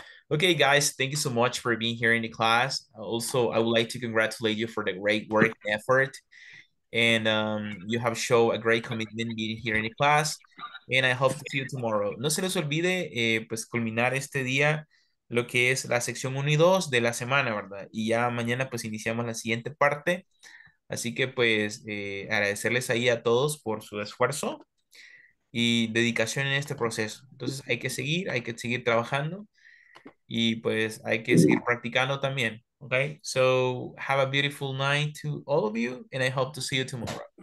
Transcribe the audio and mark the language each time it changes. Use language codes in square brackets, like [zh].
[en] Okay, guys, thank you so much for being here in the class. Also, I would like to congratulate you for the great work and effort. And you have shown a great commitment being here in the class. And I hope to see you tomorrow. [es] No se les olvide pues culminar este día lo que es la sección 1 y 2 de la semana, ¿verdad? Y ya mañana pues iniciamos la siguiente parte. Así que pues agradecerles ahí a todos por su esfuerzo y dedicación en este proceso. Entonces hay que seguir trabajando y pues hay que seguir practicando también, ¿okay? [en] So have a beautiful night to all of you and I hope to see you tomorrow.